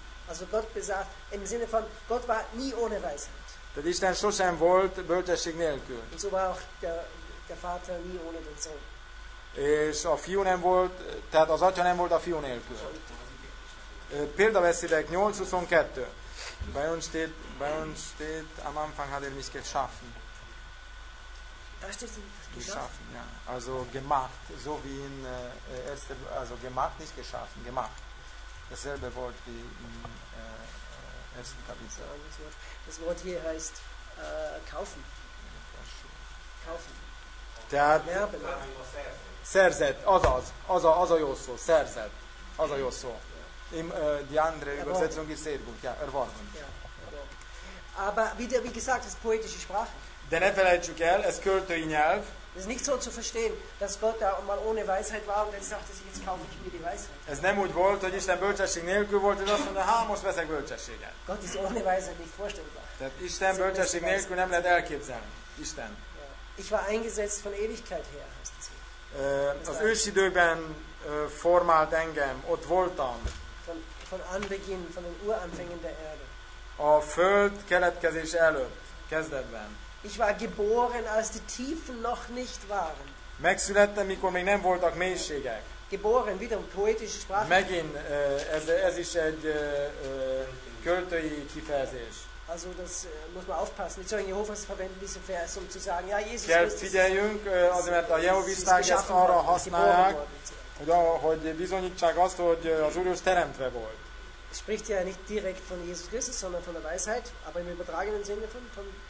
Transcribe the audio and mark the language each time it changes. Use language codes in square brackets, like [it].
[de] Also Gott besagt im Sinne von Gott war nie ohne Weisheit. [hu] Tehát Isten sosem volt bölcsesség nélkül. [de] Und so war auch der Vater nie ohne den Sohn. [hu] És a fiú nem volt, tehát az atya nem volt a fiú nélkül. Példaveszélyek 8:22. [de] Bei uns steht am Anfang hat er mich geschaffen. Da steht geschaffen, ja. Also gemacht, so wie in erste, also gemacht, nicht geschaffen, gemacht. Dasselbe Wort wie im ersten Kapitel. Das Wort hier heißt kaufen. Kaufen. [hu] Tehát szerzett, az a jó szó, szerzett. Az a jó szó. [de] Im Diandre Übersetzung ist sehr gut, ja, erworben. Aber wie gesagt, das ist poetische Sprache. [hu] De ne felejtsük el, ez költői nyelv. [de] Es ist nicht so zu verstehen, dass Gott da mal ohne Weisheit war und dann sagte sich, jetzt kaufe ich mir die Weisheit. [hu] Ez nem úgy volt, hogy Isten bölcsesség nélkül volt, és azt mondta, ha most veszek bölcsességet. [de] Gott ist ohne Weisheit nicht vorstellbar. [hu] Tehát Isten bölcsesség nélkül nem lehet elképzelni. Isten. [de] Ich war eingesetzt von Ewigkeit her, heißt es. [hu] Az ősidőben formált engem, ott voltam. [de] Von Anbeginn, von den Uranfängen der Erde. [hu] A Föld keletkezés előtt, kezdetben. [de] Ich war geboren, als die Tiefen noch nicht waren. [hu] Megszülettem, mikor még nem voltak mélységek. [de] Geboren, wieder poetische Sprache. [hu] Megint, ez is egy költői kifejezés. [de] Also das muss man aufpassen. Die Zeugen Jehovas verwenden diese Verse, um zu sagen, ja, Jesus Christus. [hu] Kell figyeljünk, azért, mert a Jehovisták ezt arra használják, hogy bizonyítsák azt, hogy az Úr Jézus teremtve volt. [de] Es spricht ja nicht direkt von Jesus Christus, sondern von der Weisheit, aber im übertragenen Sinne von